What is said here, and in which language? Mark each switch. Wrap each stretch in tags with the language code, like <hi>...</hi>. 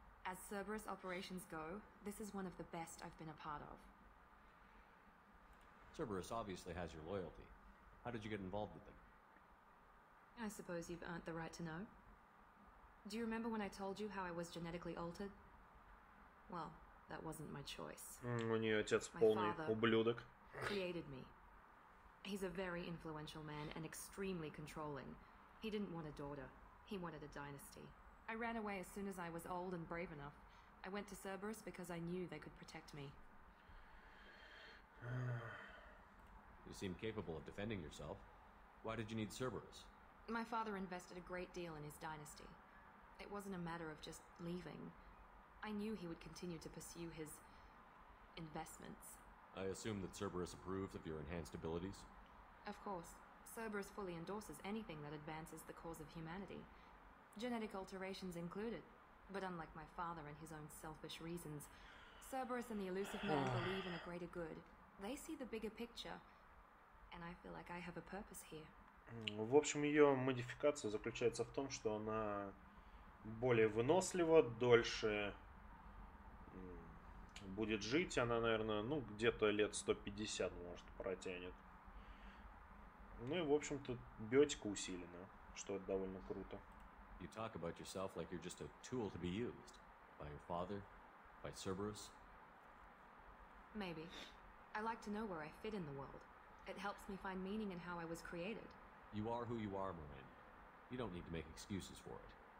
<en>As Cerberus operations go, this is one of the best I've been a part of. Cerberus obviously has your loyalty. How did you get involved with them? I suppose you've earned the right to know. Do you remember when I told you how I was genetically altered? Well, that wasn't my choice.</en> <ru>У нее отец полный ублюдок.</ru> <en>Created me. He's a very influential man and extremely controlling. He didn't want a daughter. He wanted a dynasty. I ran away as soon as I was old and brave enough. I went to Cerberus because I knew they could protect me. You seem capable of defending yourself. Why did you need Cerberus? My father invested a great deal in his dynasty. It wasn't a matter of just leaving. I knew he would continue to pursue his investments. I assume that Cerberus approves of your enhanced abilities? Of course. Cerberus fully endorses anything that advances the cause of humanity. Genetic alterations included. But unlike my father and his own selfish reasons, Cerberus and the elusive men believe in a greater good. They see the bigger picture. And I feel like I have a purpose here.</en> <ru>В общем, ее модификация заключается в том, что она более вынослива, дольше будет жить. Она, наверное, ну, где-то лет 150, может, протянет. Ну и, в общем-то, биотика усилена, что это довольно круто.</ru> <en>You talk about yourself like you're just a tool to be used. By your father? By Cerberus? Maybe. I like to know where I fit in the world. It helps me find meaning in how I was created. You are who you are, Marin. You don't need to make excuses for it.</en>